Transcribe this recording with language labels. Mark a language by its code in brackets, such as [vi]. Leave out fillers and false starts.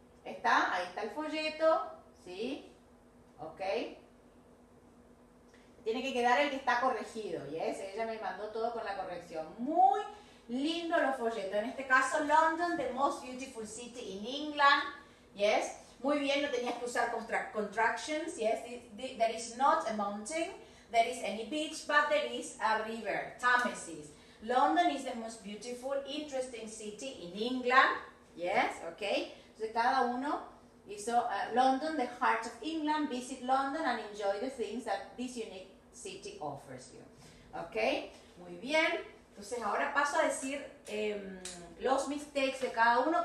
[es] Está, ahí está el folleto, ¿sí? Ok. Tiene que quedar el que está corregido, ¿yes? Ella me mandó todo con la corrección. Muy lindo los folletos. En este caso, [en] London, the most beautiful city in England, [es] ¿yes? Muy bien, no tenías que usar contractions, ¿yes? [en] There is not a mountain, there is any beach, but there is a river, Thamesis. London is the most beautiful, interesting city in England. Yes, okay. So [es] cada uno hizo [en] London, the heart of England. Visit London and enjoy the things that this unique city offers you. [es] Okay, muy bien. Entonces ahora paso a decir los mistakes de cada uno.